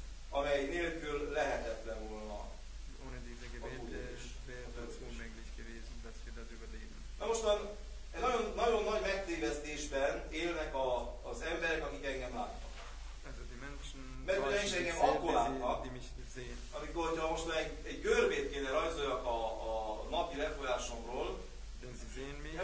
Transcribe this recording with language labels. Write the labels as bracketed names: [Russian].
[Hungarian] Amely nélkül lehetetlen volna. [German] Ohne diese Gebete wäre das unmöglich gewesen, dass wir das überleben. [Hungarian] Na mostan egy nagyon, nagyon nagy megtévesztésben élnek a, az emberek, akik engem láttak. [German] Also die Menschen, [Hungarian] mert ugye is engem akkor láttak, [German] die mich sehen. [Hungarian] Amikor, hogyha most egy, egy görbét kéne rajzoljak a napi lefolyásomról, [German] wenn sie sehen mich,